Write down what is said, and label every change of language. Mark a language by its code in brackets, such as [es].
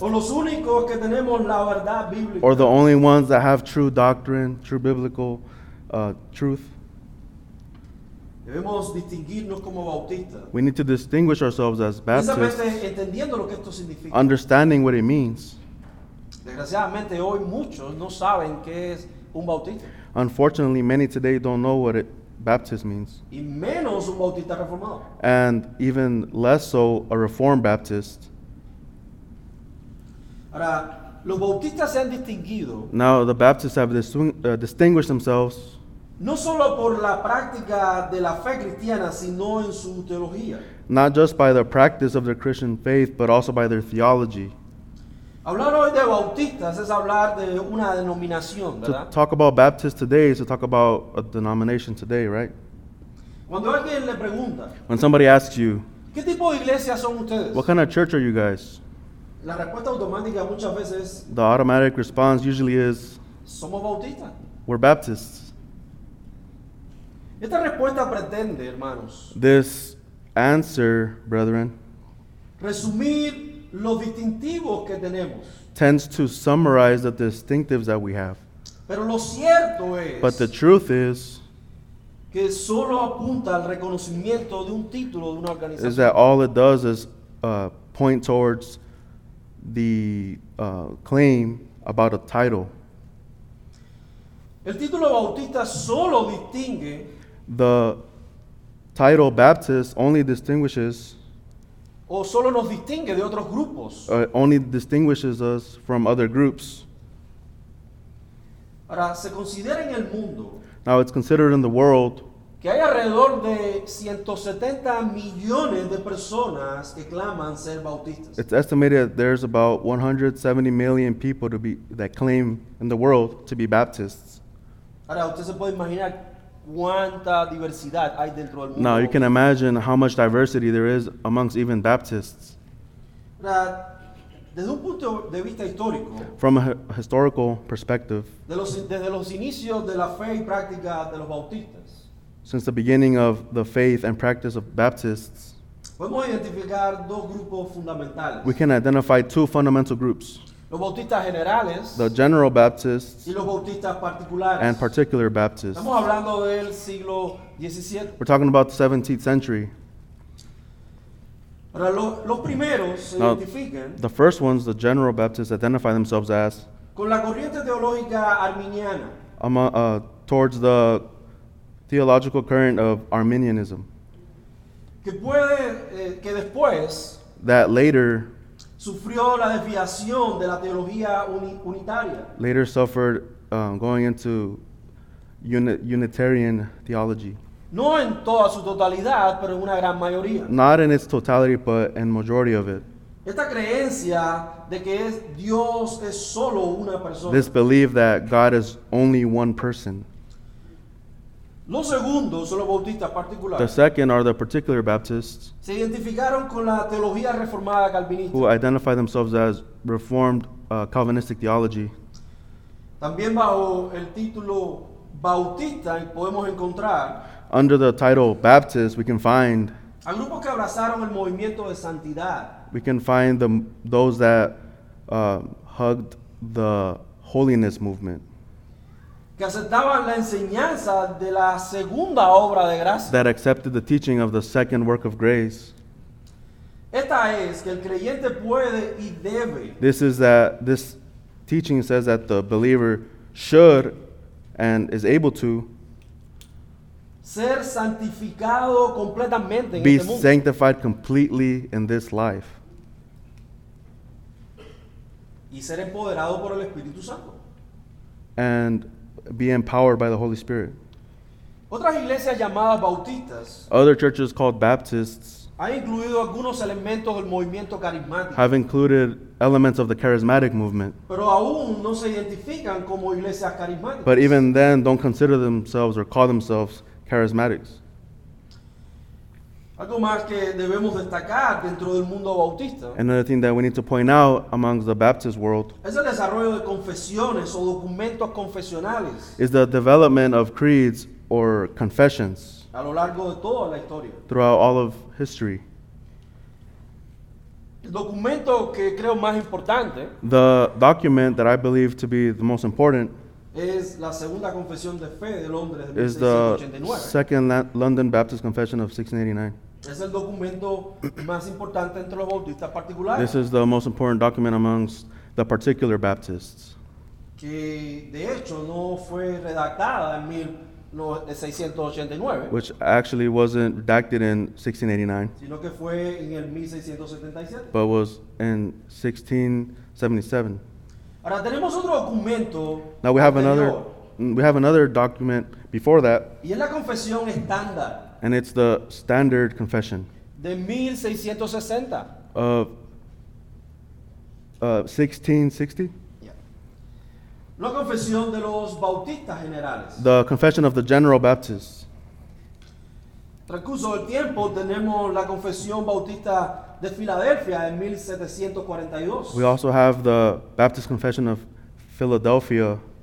[es] O los únicos que tenemos la verdad bíblica. [en] Or the only ones that have true doctrine, true biblical truth. [es] Debemos distinguirnos como bautistas. [en] We need to distinguish ourselves as Baptists. [es] Precisamente entendiendo lo que esto significa. [en] Understanding what it means. [es] Desgraciadamente hoy muchos no saben qué es un bautista. [en] Unfortunately, many today don't know what it Baptist means. [es] Y menos un bautista reformado. [en] And even less so a Reformed Baptist. [es] Ahora, los bautistas se han distinguido. [en] Now the Baptists have distinguished themselves. [es] No solo por la práctica de la fe cristiana, sino en su teología. [en] Not just by the practice of their Christian faith, but also by their theology. [es] Hablar hoy de bautistas es hablar de una denominación, ¿verdad? [en] To talk about Baptists today is to talk about a denomination today, right? [es] Cuando alguien le pregunta, [en] when somebody asks you, [es] ¿qué tipo de iglesia son ustedes? [en] What kind of church are you guys? [es] La respuesta automática muchas veces, [en] the automatic response usually is, [es] somos bautistas. [en] We're Baptists. [es] Esta respuesta pretende, hermanos, [en] this answer, brethren, [es] resumir los distintivos que tenemos, [en] tends to summarize the distinctives that we have. [es] Pero lo cierto es, [en] but the truth is, [es] que solo apunta al reconocimiento de un título de una organización, [en] is that all it does is point towards the claim about a title. [es] El título bautista solo distingue, [en] the title Baptist only distinguishes, [es] o solo nos distingue de otros grupos, [en] only distinguishes us from other groups. [es] Ahora, se considera en el mundo, [en] now it's considered in the world, [es] que hay alrededor de 170 millones de personas que claman ser bautistas. [en] It's estimated that there's about 170 million people to be that claim in the world to be Baptists. [es] Ahora, usted se puede imaginar, ¿cuánta diversidad hay dentro del mundo? [en] Now you can imagine how much diversity there is amongst even Baptists. [es] Desde un punto de vista histórico, [en] from a historical perspective, [es] desde los inicios de la fe y práctica de los bautistas, [en] since the beginning of the faith and practice of Baptists, [es] podemos identificar dos grupos fundamentales. [en] We can identify two fundamental groups. [es] Los bautistas generales, [en] the general Baptists, [es] y los bautistas particulares, [en] and particular Baptists. [es] Estamos hablando del siglo 17. [en] We're talking about the 17th century. [es] Ahora, los primeros [en] now, [es] se identifican, [en] the first ones, the general Baptists, identify themselves as, [es] con la corriente teológica arminiana, [en] towards the theological current of Arminianism. [es] Que después, [en] that later, [es] sufrió la desviación de la teología unitaria. [en] Later suffered going into Unitarian theology. [es] No en toda su totalidad, pero en una gran mayoría. [en] Not in its totality, but in majority of it. [es] Esta creencia de que es Dios es solo una persona. [en] This belief that God is only one person. [es] Los segundos son los bautistas particulares. [en] The second are the particular Baptists. [es] Se identificaron con la teología reformada calvinista. [en] Who identify themselves as Reformed Calvinistic theology. [es] También bajo el título bautista podemos encontrar, [en] under the title Baptist, we can find, [es] a grupos que abrazaron el movimiento de santidad. [en] We can find those that hugged the holiness movement. [es] Que aceptaban la enseñanza de la segunda obra de gracia. [en] That accepted the teaching of the second work of grace. [es] Esta es que el creyente puede y debe. [en] This is that this teaching says that the believer should and is able to [es] ser santificado completamente, [en] be [es] en este mundo, [en] sanctified completely in this life. [es] Y ser empoderado por el Espíritu Santo. [en] And be empowered by the Holy Spirit. [es] Otras iglesias llamadas bautistas, [en] other churches called Baptists, [es] han incluido algunos elementos del movimiento carismático, [en] have included elements of the charismatic movement. [es] Pero aún no se identifican como iglesias carismáticas. [en] But even then, don't consider themselves or call themselves charismatics. [es] Algo más que debemos destacar dentro del mundo bautista, [en] another thing that we need to point out amongst the Baptist world, [es] es el desarrollo de confesiones o documentos confesionales, [en] is the development of creeds or confessions, [es] a lo largo de toda la historia, [en] throughout all of history. [es] El documento que creo más importante, [en] the document that I believe to be the most important, [es] es la segunda confesión de fe de Londres de [en] 1689. Is the second London Baptist Confession of 1689. [es] Es el documento más importante entre los bautistas particulares. [en] This is the most important document amongst the particular Baptists. [es] Que de hecho no fue redactada en 689, [en] which actually wasn't redacted in 1689, [es] sino que fue en el 1677. [en] But was in 1677. [es] Ahora, tenemos otro documento. [en] Now we have another document before that. [es] Y es la confesión estándar. [en] And it's the standard confession. [es] De 1660. [en] Of 1660? Yeah. [es] La confesión de los bautistas generales. [en] The confession of the general Baptists. [es] Transcurso del tiempo, tenemos la confesión bautista de Filadelfia en 1742. [en] We also have the Baptist confession of Philadelphia.